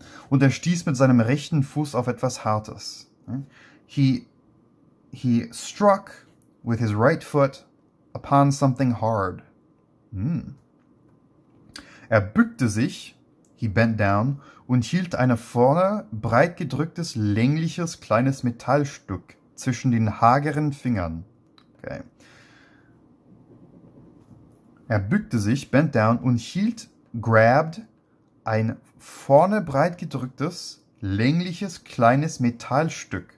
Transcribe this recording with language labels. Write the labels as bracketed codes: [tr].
[de] Und stieß mit seinem rechten Fuß auf etwas Hartes. [en] He struck with his right foot upon something hard. [de] Bückte sich, [en] he bent down, [de] und hielt eine vorne breit gedrücktes, längliches, kleines Metallstück zwischen den hageren Fingern. Okay. Bückte sich, [en] bent down, [de] und hielt, [en] grabbed, [de] ein vorne breit gedrücktes, längliches, kleines Metallstück.